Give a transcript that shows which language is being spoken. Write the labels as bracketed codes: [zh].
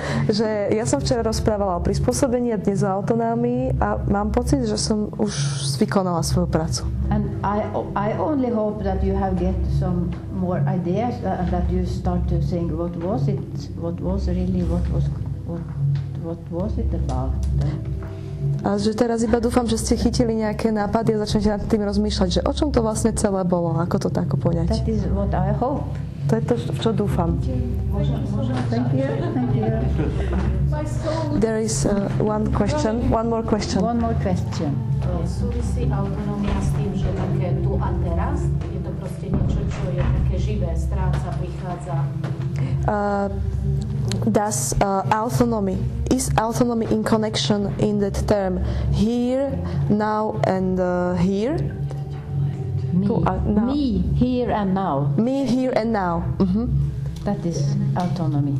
[sk] Že ja som včera rozprávala o prispôsobení a dnes o autonómii a mám pocit, že som už vykonala svoju prácu. [en] And I only hope that you have get some more ideas and that you start to think what was it about? [sk] A že teraz iba dúfam, že ste chytili nejaké nápady a začnete nad tým rozmýšľať, že o čom to vlastne celé bolo, ako to tak poňať. [en] That is what I hope. [sk] To je to, v čo dúfam. [en] Thank you. There is one more question. One more question. [sk] Súvisí autonómia s tým, že také tu a teraz je to proste niečo, čo je také živé, stráca, prichádza. [en] Does autonomy, is autonomy in connection in that term, here, now and here? Me, here and now. Me, here and now. Mm-hmm. That is autonomy.